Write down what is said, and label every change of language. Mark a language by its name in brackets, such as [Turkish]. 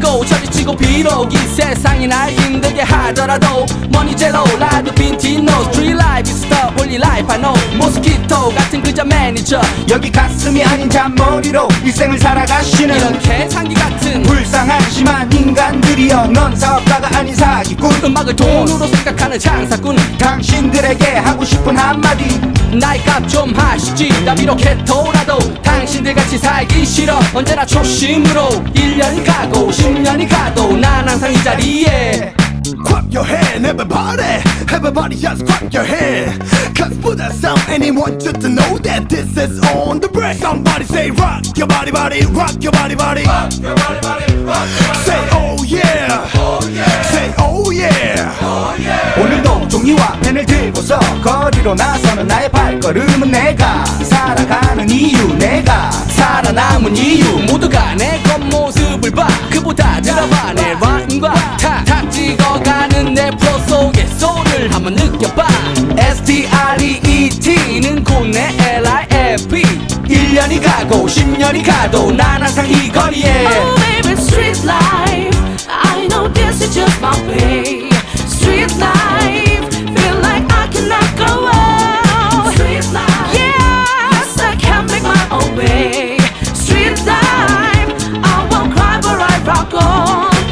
[English] Street life is the only life I know. Mosquito [Korean] 모토 같은 그저 매니저. 여기 가슴이 아닌 잔머리로 일생을 살아가시는 이렇게 상기 같은 불쌍하지만 인간들이여, 넌 사업가가 아닌 사기꾼. 음악을 돈으로 생각하는 장사꾼. 당신들에게 하고 싶은 한마디, 나이 값 좀 하시지. 난 이렇게 돌아도 당신들 같이 살기 싫어. 언제나 초심으로 1년이 가고 10년이 가도 난 항상 이 자리에. [English] Clap your hand, everybody. Everybody just clap your hand. Cause Buda Sound, anyone just to know that this is on the break. Somebody say rock your body, body, rock your body, body. Rock your body, body, rock your body. Say oh yeah, oh yeah. Say oh yeah, oh yeah. [Korean] 오늘도 종이와 펜을 들고서 거리로 나서는 나의 발걸음은 내가 살아가는 이유, 내가 살아남은 이유. 모두가 내 겉모습을 봐. 그보다 들어봐 내 rhyme과 탁탁 찍어가는 내 프로 속의 소울을 한번 느껴봐. S.T.R.E.E.T는 곧내 L.I.F.E. 1년이 가고 10년이 가도 난 항상 이 거리에. [English] Oh baby, street life, I know this is just my way. Street life, feel like I cannot go out. Street life, yes, I can make my own way. Street life, I won't cry but I rock on.